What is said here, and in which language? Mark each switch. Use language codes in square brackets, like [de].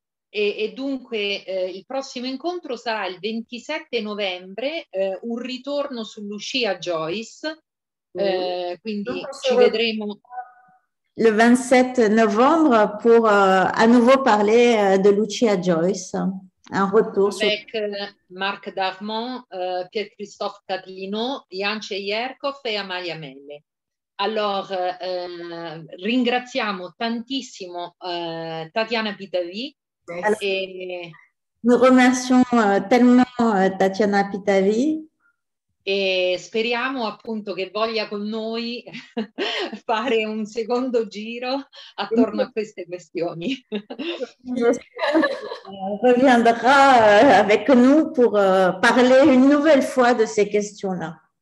[it] E dunque il prossimo incontro sarà il 27 novembre, un ritorno su Lucia Joyce, quindi ci vedremo [fr] le 27 novembre pour à nouveau parler de Lucia Joyce, un retour avec sur... Marc Darmon, Pierre-Christophe Catlino, Jance Jerkov et Amalia Melle. [it] Alors, ringraziamo tantissimo Tatiana Pitavi. [fr] Nous remercions tellement Tatiana Pitavi. [it] E speriamo appunto che voglia con noi fare un secondo giro attorno a queste questioni. [fr] Reviendra avec nous pour parler une nouvelle fois de ces questions-là.